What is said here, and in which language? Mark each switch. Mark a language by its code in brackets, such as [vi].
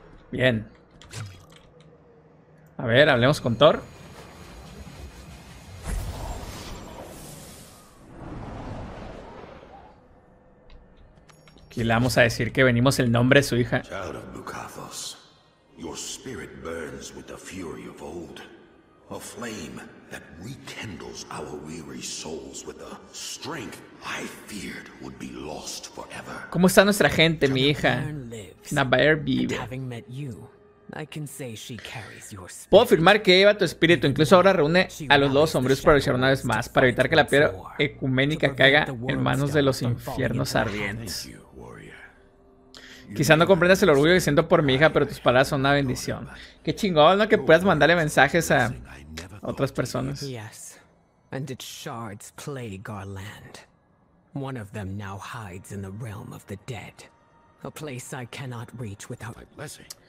[es] Bien. A ver, hablemos con Thor. Aquí le vamos a decir que venimos el nombre de su hija. [en] Your spirit burns with the fury of old, a flame that rekindles our weary souls with a strength I feared would be lost forever. [es] ¿Cómo está nuestra gente, mi hija? Nabaer vive. [en] Having met you, I can say she carries your spirit. [es] Puedo afirmar que lleva tu espíritu. Incluso ahora reúne a los dos hombres para luchar una vez más para evitar que la piedra ecuménica caiga en manos de los infiernos ardientes. Quizá no comprendas el orgullo que siento por mi hija, pero tus palabras son una bendición. Qué chingón, ¿no? Que puedas mandarle mensajes a otras personas. [en] Yes. And did shards plague our land? One of them now hides in the realm of the dead, a place I cannot reach without my blessing.